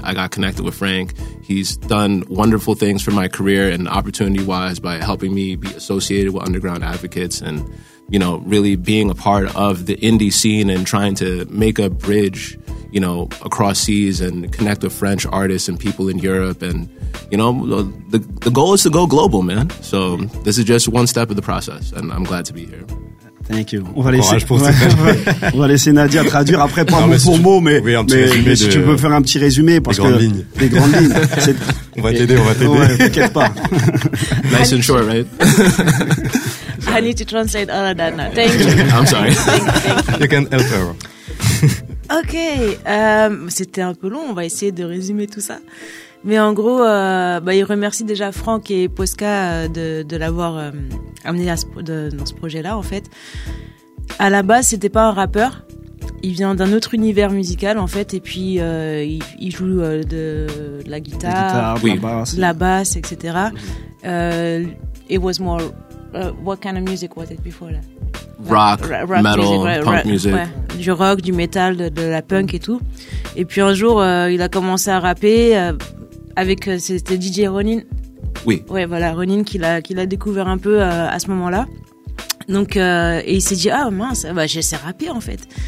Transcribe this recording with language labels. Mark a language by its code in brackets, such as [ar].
[en] I got connected with Frank. He's done wonderful things for my career and opportunity-wise by helping me be associated with Underground Advocates and, you know, really being a part of the indie scene and trying to make a bridge, you know, across seas and connect with French artists and people in Europe. And, you know, the goal is to go global, man. So this is just one step of the process, and I'm glad to be here. Thank you. [fr] On va laisser Nadia traduire après pas mot pour mot, mais si tu peux faire un petit résumé parce que les grandes lignes. C'est... On va t'aider. Ouais, t'inquiète pas. [en] Nice and short, right? I need to translate all of that now. Thank you. I'm sorry. You can help her. [fr] Ok, c'était un peu long. On va essayer de résumer tout ça. Mais en gros, il remercie déjà Franck et Posca de l'avoir amené dans ce projet-là, en fait. À la base, c'était pas un rappeur. Il vient d'un autre univers musical, en fait. Et puis, il joue de la guitare, la basse, etc. [en] It was more... what kind of music was it before that? Rock, metal, punk music. [fr] Ouais, du rock, du métal, de la punk et tout. Et puis un jour, il a commencé à rapper... avec, c'était DJ Ronin. Oui. Ouais, voilà, Ronin qui l'a découvert un peu à ce moment-là. Donc, et il s'est dit, ah mince, bah, je sais rapper en fait.